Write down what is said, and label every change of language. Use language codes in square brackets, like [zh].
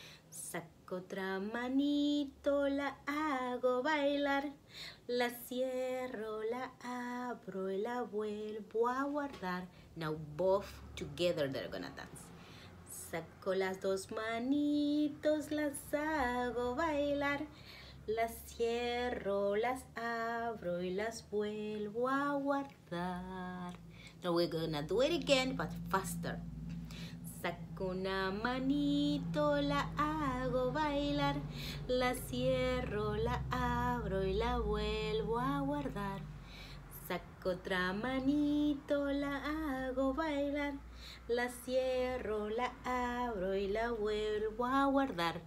[es] Saco otra manito, la hago bailar, la cierro, la abro y la vuelvo a guardar. [en] Now both together they're gonna dance. [es] Saco las dos manitos, las hago bailar, las cierro, las abro y las vuelvo a guardar. [en] Now we're gonna do it again, but faster. [es] Saco una manito, la hago bailar, la cierro, la abro y la vuelvo a guardar. Saco otra manito, la hago bailar, la cierro, la abro y la vuelvo a guardar.